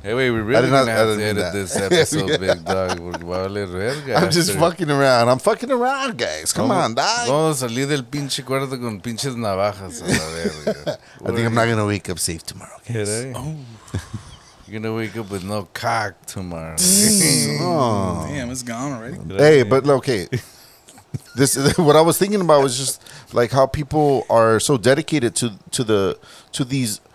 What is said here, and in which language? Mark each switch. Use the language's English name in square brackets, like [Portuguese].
[English] Hey, wait, we really didn't have to edit this episode, yeah. Big dog. Vale, I'm just fucking around. I'm fucking around, guys. Come on, dog. [Spanish] Vamos a salir del pinche cuarto con pinches navajas. A la verga. [English] I think I'm not going to wake up safe tomorrow, guys. Yeah, right? You're going to wake up with no cock tomorrow. Damn, it's gone already. Hey, but okay. This is what I was thinking about was just like how people are so dedicated to these